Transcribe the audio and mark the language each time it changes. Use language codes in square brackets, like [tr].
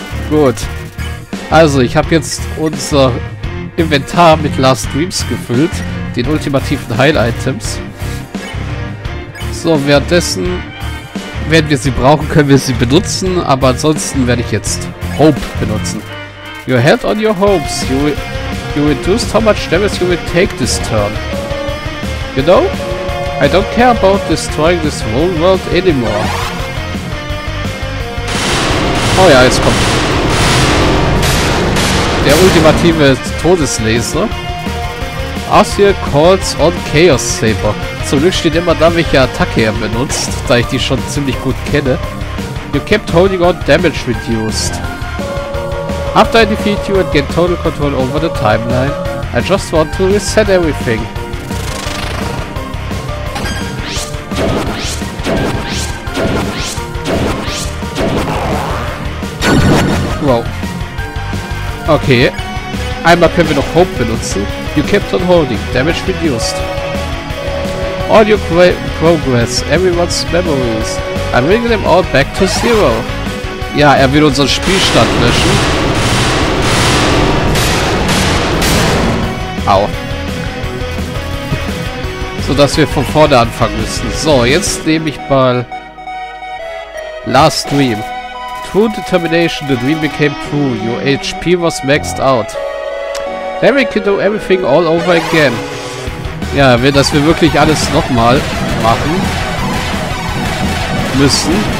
[de] Gut. Also, ich habe jetzt unser Inventar mit Last Dreams gefüllt, den ultimativen Heil-Items. So, währenddessen, wenn wir sie brauchen, können wir sie benutzen, aber ansonsten werde ich jetzt Hope benutzen. [en] You held on your hopes. You reduced how much damage you will take this turn. You know? I don't care about destroying this whole world anymore. [de] Oh ja, jetzt kommt der ultimative Todeslaser. [en] Arthur calls on Chaos Saber. [de] Zum Glück steht immer da, welche Attacke er benutzt, da ich die schon ziemlich gut kenne. [en] You kept holding on, damage reduced. After I defeat you and get total control over the timeline, I just want to reset everything. [de] Wow. Okay. Einmal können wir noch Hope benutzen. [en] You kept on holding. Damage reduced. All your progress. Everyone's memories. I bring them all back to zero. [de] Ja, er will unseren Spielstand löschen. Au. So, dass wir von vorne anfangen müssen. So, jetzt nehme ich mal Last Dream. [en] True determination, the dream became true. Your HP was maxed out. Then we can do everything all over again. [de] Ja, dass wir wirklich alles nochmal machen müssen.